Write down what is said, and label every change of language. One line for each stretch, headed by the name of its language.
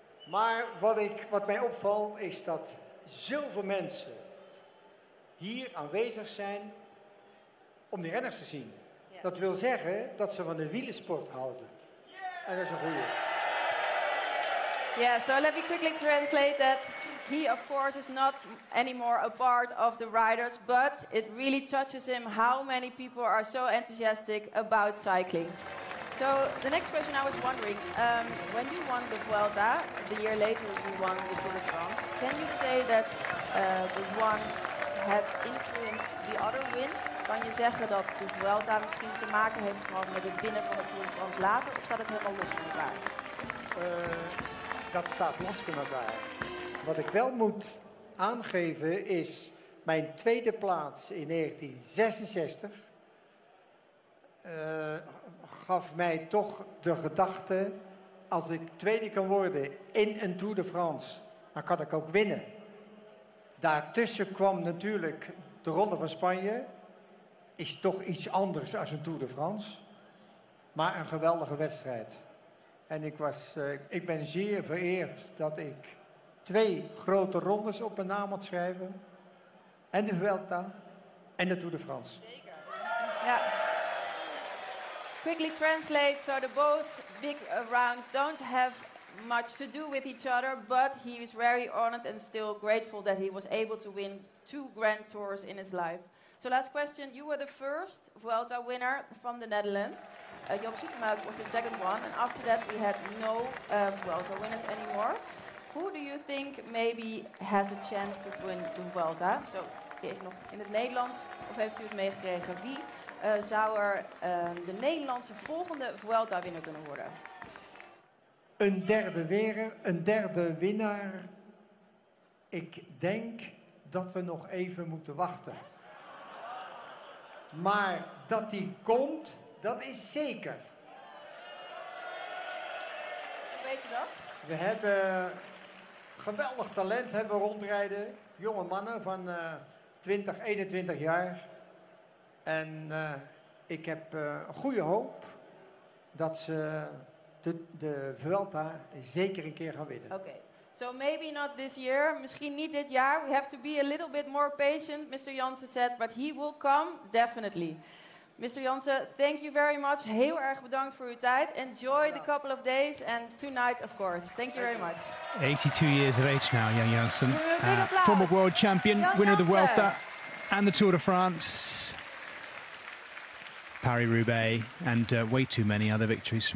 Dutch: Maar wat mij opvalt is dat zoveel mensen hier aanwezig zijn om de renners te zien. Ja. Dat wil zeggen dat ze van de wielersport houden. Yeah. En dat is een goede.
English: Yeah, so let me quickly translate that. He, of course, is not anymore a part of the riders, but it really touches him how many people are so enthusiastic about cycling. So the next question I was wondering, when you won the Vuelta, the year later you won the Tour de France, can you say that the one had influenced the other win?
Dutch: Kan je zeggen dat de Vuelta misschien te maken heeft gehad met het winnen van de Tour de France later, of staat het helemaal los van elkaar? Dat staat los van elkaar. Wat ik wel moet aangeven is mijn tweede plaats in 1966. Gaf mij toch de gedachte, als ik tweede kan worden in een Tour de France, dan kan ik ook winnen. Daartussen kwam natuurlijk de Ronde van Spanje, is toch iets anders als een Tour de France, maar een geweldige wedstrijd. En ik ben zeer vereerd dat ik twee grote rondes op mijn naam moet schrijven, en de Vuelta en de Tour de France. Zeker. Ja.
English: Quickly translate, so the both big rounds don't have much to do with each other, but he is very honored and still grateful that he was able to win two Grand Tours in his life. So last question, you were the first Vuelta winner from the Netherlands. Joop Zoetemelk was the second one, and after that we had no Vuelta winners anymore. Who do you think maybe has a chance to win the Vuelta?
Dutch: So, in het Nederlands, of heeft u het meegekregen? Wie? Zou er de Nederlandse volgende Vuelta-winner kunnen worden? Een derde winnaar. Ik denk dat we nog even moeten wachten. Maar dat die komt, dat is zeker. Hoe weet je dat? We hebben geweldig talent hebben rondrijden. Jonge mannen van 20, 21 jaar. En ik heb goede hoop dat ze de Vuelta zeker een keer gaan winnen.
English: Okay, so maybe not this year,
Dutch: misschien niet dit jaar.
English: We have to be a little bit more patient, Mr. Jansen said, but he will come, definitely. Mr. Jansen, thank you very much.
Dutch: Heel erg bedankt voor uw tijd.
English: Enjoy the couple of days and tonight, of course. Thank you very much. 82 years of age now, young Jansen. Former world champion, Jan winner Jansen. Of the Vuelta and the Tour de France. Paris-Roubaix, and way too many other victories for